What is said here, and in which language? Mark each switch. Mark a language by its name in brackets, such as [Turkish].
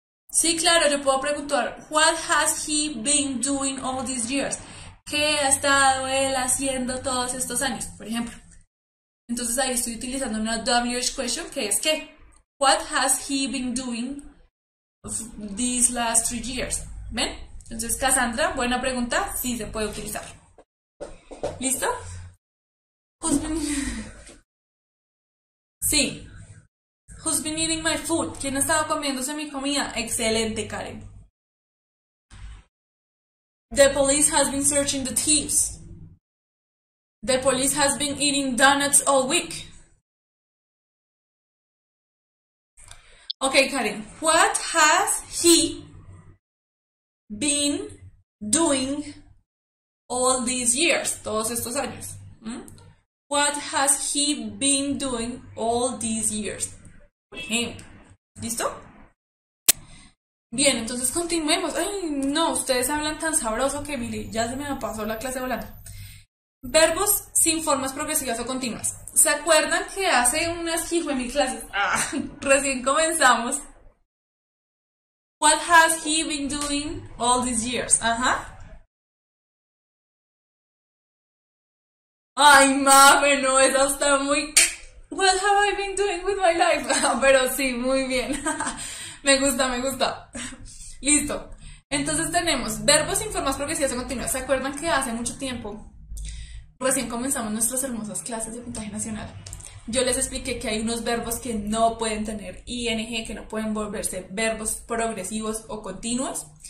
[Spanish] Sí, claro, yo puedo preguntar, [English] what has he been doing all these years? [Spanish] ¿Qué ha estado él haciendo todos estos años? Por ejemplo. Entonces ahí estoy utilizando una WH question que es ¿qué? [English] What has he been doing these last 3 years? [Spanish] ¿Ven? Entonces, Cassandra, buena pregunta. Sí, se puede utilizar. ¿Listo? Sí. [English] Who's been eating my food? [Spanish] ¿Quién ha estado comiéndose mi comida? Excelente, Karen. [English] The police has been searching the thieves. The police has been eating donuts all week. Okay, Karen. What has he been doing all these years? [Spanish] Todos estos años. [English] What has he been doing all these years? [Spanish] Por ejemplo. ¿Listo? Bien, entonces continuemos. Ay, no, ustedes hablan tan sabroso que mire, ya se me pasó la clase volando. Verbos sin formas progresivas o continuas. ¿Se acuerdan que hace unas hijo en mi clase? Ah, recién comenzamos. [English] What has he been doing all these years? Ajá. [Spanish] Ay, mami, no, eso está muy. [English] What have I been doing with my life? [Spanish] Pero sí, muy bien. Me gusta, me gusta. Listo. Entonces tenemos verbos sin formas progresivas o continuas. ¿Se acuerdan que hace mucho tiempo, recién comenzamos nuestras hermosas clases de puntaje nacional, Yo les expliqué que hay unos verbos que no pueden tener ing, que no pueden volverse verbos progresivos o continuos.